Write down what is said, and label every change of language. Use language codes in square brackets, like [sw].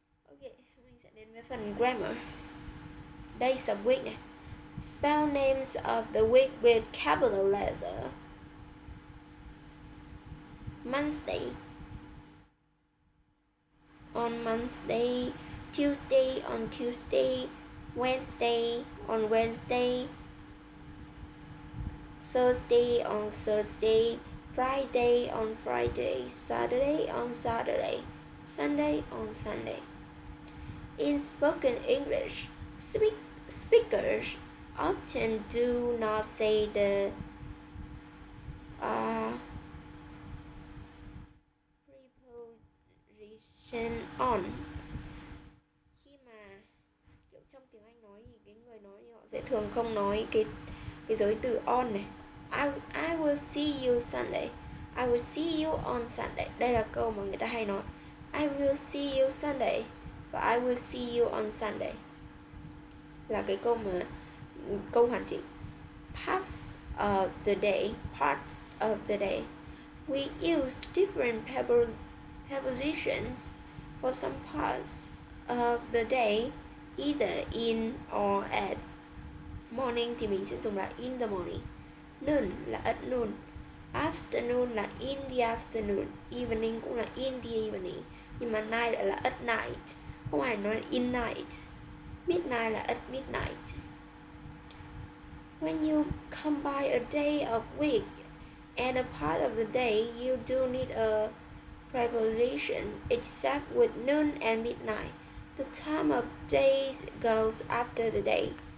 [vi] Okay, mình sẽ đến với phần grammar. [en] Days of week. Spell names of the week with capital letter. Monday. On Monday, Tuesday on Tuesday, Wednesday on Wednesday, Thursday on Thursday, Friday on Friday, Saturday on Saturday, Sunday on Sunday. In spoken English, speakers often do not say the preposition on. [vi] Khi mà kiểu trong tiếng Anh nói thì cái người nói thì họ sẽ thường không nói cái giới từ on này. [en] I will see you Sunday. I will see you on Sunday. [vi] Đây là câu mà người ta hay nói. [en] I will see you Sunday. [vi] Và [en] I will see you on Sunday. [vi] Là cái câu mà câu hoàn chỉnh. [en] Parts of the day. Parts of the day. We use different prepositions for some parts of the day, either in or at. [vi] Morning thì mình sẽ dùng là [en] in the morning. Noon là at noon. Afternoon là in the afternoon. Evening cũng là in the evening. Nhưng mà night là at night. [vi] Không phải nói là in night. [en] Midnight là at midnight. When you combine a day of week and a part of the day, you do need a preposition, except with noon and midnight. The time of days goes after the day.